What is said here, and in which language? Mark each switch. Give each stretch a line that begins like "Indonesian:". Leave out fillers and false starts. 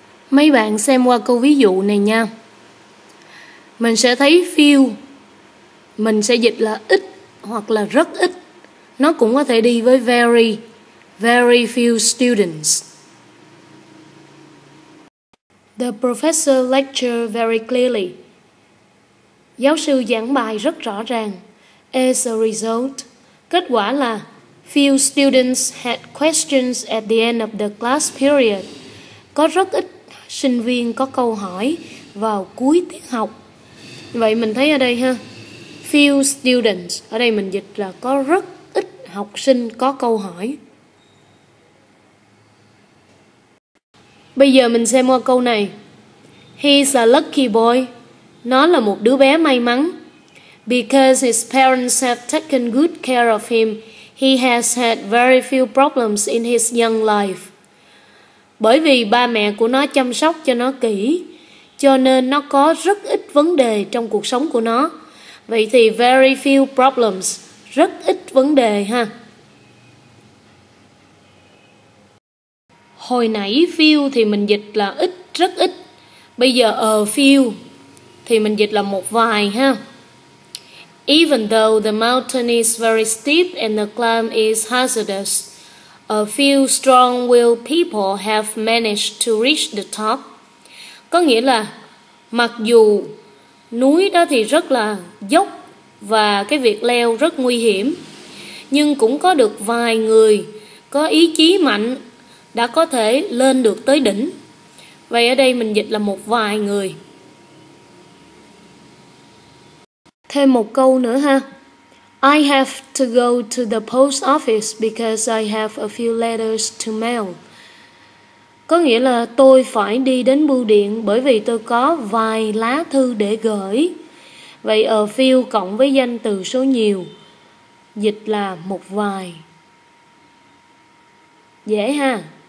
Vietnamese: Mấy bạn xem qua câu ví dụ này nha. Mình sẽ thấy few, mình sẽ dịch là ít hoặc là rất ít. Nó cũng có thể đi với
English: very, very few students. The professor lectures very clearly.
Vietnamese: Giáo sư giảng bài rất rõ ràng.
English: As a result,
Vietnamese: kết quả là
English: few students had questions at the end of the class period.
Vietnamese: Có rất ít sinh viên có câu hỏi vào cuối tiết học. Vậy mình thấy ở đây ha, few students, ở đây mình dịch là có rất ít học sinh có câu hỏi. Bây giờ mình xem qua câu này.
English: He's a lucky boy.
Vietnamese: Nó là một đứa bé may mắn.
English: Because his parents have taken good care of him, he has had very few problems in his young life.
Vietnamese: Bởi vì ba mẹ của nó chăm sóc cho nó kỹ, cho nên nó có rất ít vấn đề trong cuộc sống của nó. Vậy thì very few problems, rất ít vấn đề ha. Hồi nãy few thì mình dịch là ít, rất ít. Bây giờ a few thì mình dịch là một vài ha.
English: Even though the mountain is very steep and the climb is hazardous, a few strong-willed people have managed to reach the top.
Vietnamese: Có nghĩa là mặc dù núi đó thì rất là dốc và cái việc leo rất nguy hiểm, nhưng cũng có được vài người có ý chí mạnh đã có thể lên được tới đỉnh. Vậy ở đây mình dịch là một vài người. Thêm một câu nữa ha.
English: I have to go to the post office because I have a few letters to mail.
Vietnamese: Có nghĩa là tôi phải đi đến bưu điện bởi vì tôi có vài lá thư để gửi. Vậy a few cộng với danh từ số nhiều, dịch là một vài. Dễ ha.